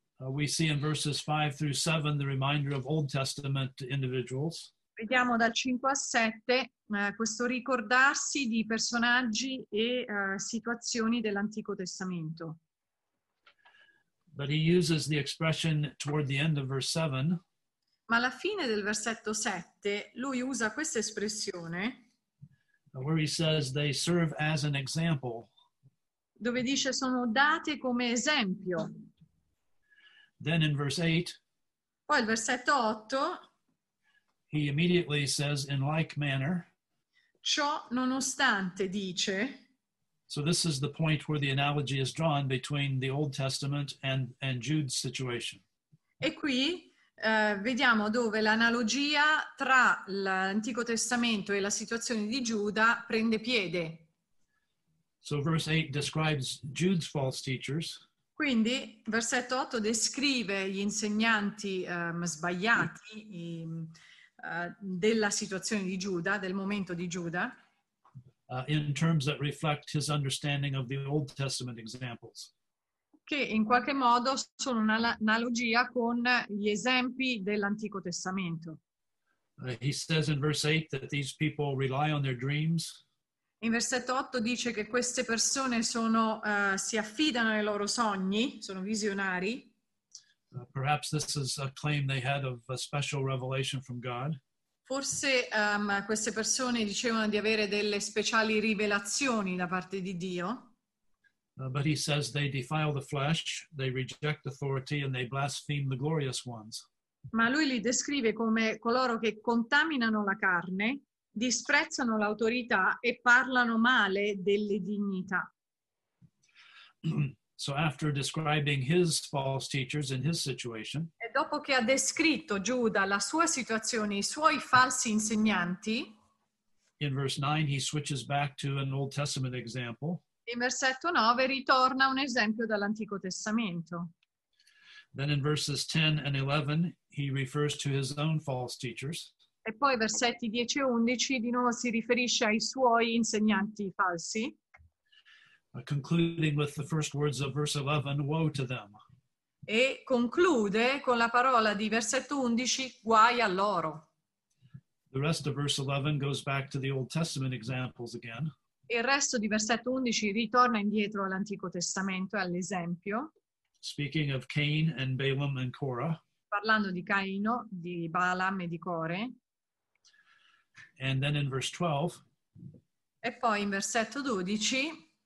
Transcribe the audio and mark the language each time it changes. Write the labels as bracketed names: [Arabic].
[English] We see in verses 5 through 7 the reminder of Old Testament individuals. [Italian] Vediamo dal 5 al 7 questo ricordarsi di personaggi e situazioni dell'Antico Testamento. [English] But he uses the expression toward the end of verse 7. [Italian] Ma alla fine del versetto 7 lui usa questa espressione. [English] Where he says they serve as an example. [Italian] Dove dice sono date come esempio. [English] Then in verse 8. [Italian] Poi il versetto 8. [English] He immediately says in like manner. [Italian] Ciò nonostante dice. [English] So this is the point where the analogy is drawn between the Old Testament and Jude's situation. [Italian] E qui vediamo dove l'analogia tra l'Antico Testamento e la situazione di Giuda prende piede. [English] So verse 8 describes Jude's false teachers. [Italian] Quindi versetto 8 descrive gli insegnanti sbagliati della situazione di Giuda, del momento di Giuda. [English] In terms that reflect his understanding of the Old Testament examples. [Italian] Che in qualche modo sono un'analogia con gli esempi dell'Antico Testamento. [English] He says in verse 8 that these people rely on their dreams. [Italian] In versetto 8 dice che queste persone sono si affidano ai loro sogni, sono visionari. [English] Perhaps this is a claim they had of a special revelation from God. [Italian] Forse queste persone dicevano di avere delle speciali rivelazioni da parte di Dio. [English] But he says they defile the flesh, they reject authority, and they blaspheme the glorious ones. [Italian] Ma lui li descrive come coloro che contaminano la carne, disprezzano l'autorità e parlano male delle dignità. [English] So after describing his false teachers and his situation, [Italian] e dopo che ha descritto Giuda la sua situazione, i suoi falsi insegnanti, [English] in verse 9 he switches back to an Old Testament example. [Italian] In versetto 9 ritorna un esempio dall'Antico Testamento. [English] Then in verses 10 and 11 he refers to his own false teachers. [Italian] E poi versetti 10 e 11 di nuovo si riferisce ai suoi insegnanti falsi. [English] Concluding with the first words of verse 11, woe to them. [Italian] E conclude con la parola di versetto 11, guai a loro. [English] The rest of verse 11 goes back to the Old Testament examples again. [Italian] Il resto di versetto 11 ritorna indietro all'Antico Testamento, all'esempio. [English] Speaking of Cain and Balaam and Korah. [Italian] Parlando di Caino, di Balaam e di Core. [English] And then in verse 12. [Italian] E poi in versetto 12.